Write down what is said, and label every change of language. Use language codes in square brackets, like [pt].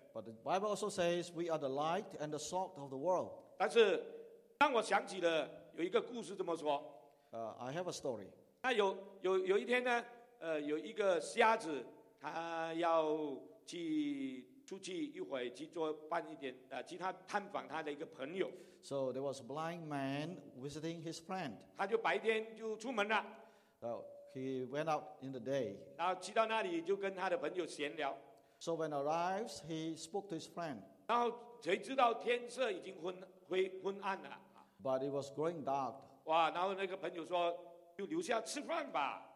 [en] But the Bible also says we are the light and the salt of the world. [zh] 但是当我想起了有一个故事这么说。 [en] I have a story. [zh] 那有一天呢，有一个瞎子。他要去出去一会去做办一点其他探访他的一个朋友。 [en] So there was a blind man visiting his friend. [zh] 他就白天就出门了。 [en] He went out in the day. [zh] 然后去到那里就跟他的朋友闲聊。 [en] So when he arrives, he spoke to his friend. [zh] 然后谁知道天色已经昏暗了。 [en] But it was growing dark. [zh] 哇，然后那个朋友说，就留下吃饭吧。